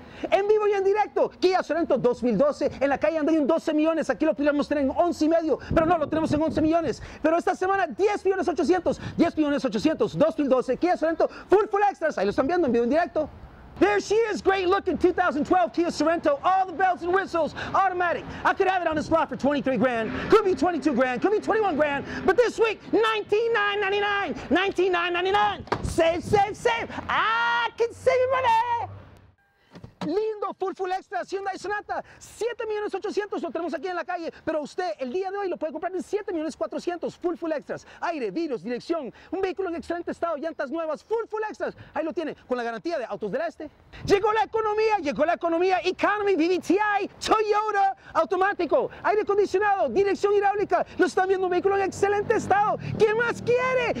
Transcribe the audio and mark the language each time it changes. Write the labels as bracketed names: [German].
[Spanish] En vivo y en directo, Kia Sorento 2012, en la calle Andrés, 12 millones, aquí lo podríamos tener en 11 y medio, pero no, lo tenemos en 11 millones, pero esta semana 10 millones 800, 2012, Kia Sorento, full extras, ahí lo están viendo en vivo y en directo. [English] There she is, great looking 2012 Kia Sorento, all the bells and whistles, automatic. I could have it on the spot for 23 grand, could be 22 grand, could be 21 grand, but this week, $19,999, save, I can save money. [Spanish] Lindo, full extra, Hyundai Sonata, 7.800.000, lo tenemos aquí en la calle, pero usted el día de hoy lo puede comprar en 7.400.000, full extras, aire, vidrios, dirección, un vehículo en excelente estado, llantas nuevas, full extras, ahí lo tiene, con la garantía de Autos del Este. Llegó la economía, Economy, BBTI, Toyota, automático, aire acondicionado, dirección hidráulica, lo están viendo, un vehículo en excelente estado, ¿qué más quiere?